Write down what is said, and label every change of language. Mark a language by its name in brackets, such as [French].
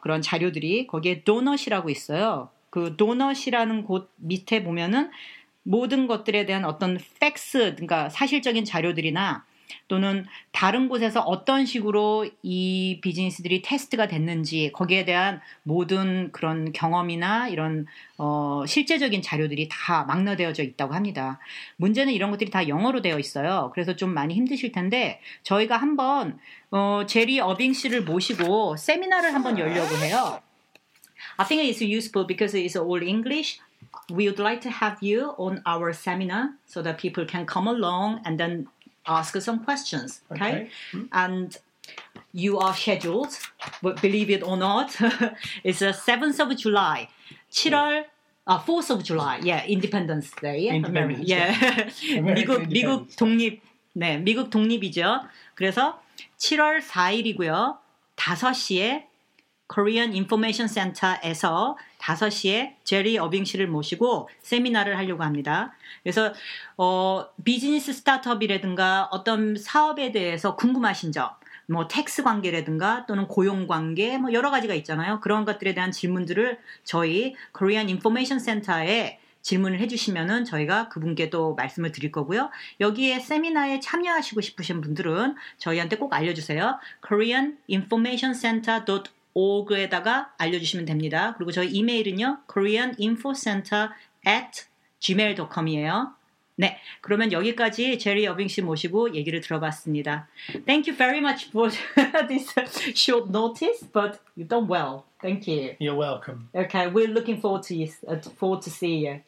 [Korean] 그런 자료들이 거기에 donut이라고 있어요. 그 donut이라는 곳 밑에 보면은 모든 것들에 대한 어떤 facts, 그러니까 사실적인 자료들이나 또는 다른 곳에서 어떤 식으로 이 비즈니스들이 테스트가 됐는지 거기에 대한 모든 그런 경험이나 이런 실제적인 자료들이 다 망라되어져 있다고 합니다. 문제는 이런 것들이 다 영어로 되어 있어요. 그래서 좀 많이 힘드실 텐데 저희가 한번 제리 어빙 씨를 모시고 세미나를 한번 열려고 해요. [English] I think it's useful because it's all English. We would like to have you on our seminar so that people can come along and then ask some questions, okay? And you are scheduled, but believe it or not, it's the 7th of July, 7월, 4th of July, yeah, Independence Day. Independence Day. Yeah. [Korean] 미국 독립, 네, 미국 독립이죠. 그래서 7월 4일이고요. 5시에 Korean Information Center에서 5시에 제리 어빙 씨를 모시고 세미나를 하려고 합니다. 그래서 비즈니스 스타트업이라든가 어떤 사업에 대해서 궁금하신 점, 뭐 텍스 관계라든가 또는 고용 관계 뭐 여러 가지가 있잖아요. 그런 것들에 대한 질문들을 저희 Korean Information Center에 질문을 해주시면은 저희가 그분께도 말씀을 드릴 거고요. 여기에 세미나에 참여하시고 싶으신 분들은 저희한테 꼭 알려주세요. koreaninformationcenter.org에다가 알려주시면 됩니다. 그리고 저희 이메일은요, koreaninfocenter@gmail.com이에요. 네, 그러면 여기까지 제리 어빙 씨 모시고 얘기를 들어봤습니다. [English] Thank you very much for this short notice, but you've done well. Thank you. You're welcome. Okay, we're looking forward to forward to see you.